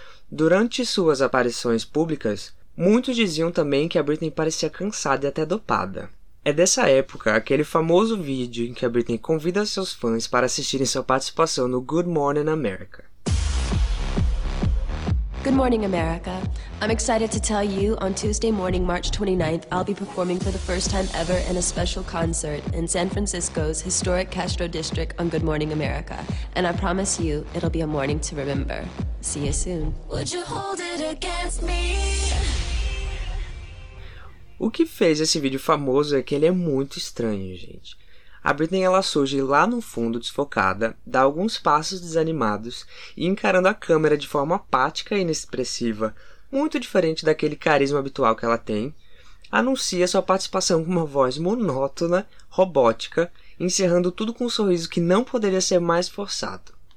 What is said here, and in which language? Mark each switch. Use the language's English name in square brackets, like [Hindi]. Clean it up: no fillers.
[Portuguese] Durante suas aparições públicas, muitos diziam também que a Britney parecia cansada e até dopada. É dessa época aquele famoso vídeo em que a Britney convida seus fãs para assistirem sua participação no Good Morning America. [English] Good morning, America. I'm excited to tell you on Tuesday morning, March 29th, I'll be performing for the first time ever in a special concert in San Francisco's historic Castro District on Good Morning, America. And I promise you, it'll be a morning to remember. See you soon. Would you hold it against me? [Portuguese] O que fez esse vídeo famoso é que ele é muito estranho, gente. A Britney, ela surge lá no fundo, desfocada, dá alguns passos desanimados e encarando a câmera de forma apática e inexpressiva, muito diferente daquele carisma habitual que ela tem, anuncia sua participação com uma voz monótona, robótica, encerrando tudo com um sorriso que não poderia ser mais forçado.